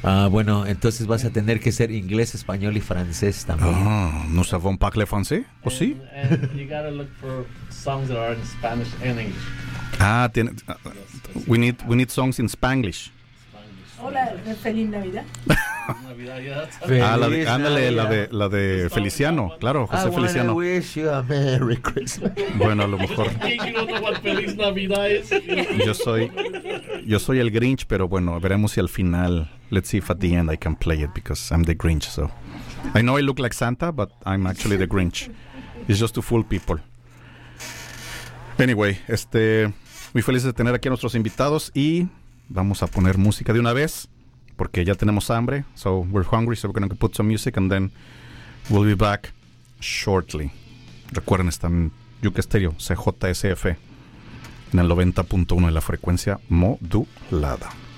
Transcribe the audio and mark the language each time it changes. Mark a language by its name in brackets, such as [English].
[Spanish] Bueno, entonces vas a tener que ser inglés, español y francés también. [French] Ah, ¿nous avons parlé français? [Spanish] ¿O sí? [English] And you gotta look for songs that are in Spanish and English. Ah, we need songs in Spanglish. [Spanish] Hola, feliz Navidad. Navidad, ya. Ándale, la de Feliciano, claro, José Feliciano. [English] I wish you a Merry Christmas. [Spanish] Bueno, a lo mejor. Feliz Navidad es. Yo soy el Grinch, pero bueno, veremos si al final. [English] Let's see if at the end I can play it because I'm the Grinch. So I know I look like Santa, but I'm actually the Grinch. It's just to fool people. [Spanish] Anyway, muy feliz de tener aquí a nuestros invitados y vamos a poner música de una vez porque ya tenemos hambre. [English] So we're hungry, so we're going to put some music and then we'll be back shortly. [Spanish] Recuerden, están Yuca Estéreo, CJSF, en el 90.1 de la frecuencia modulada.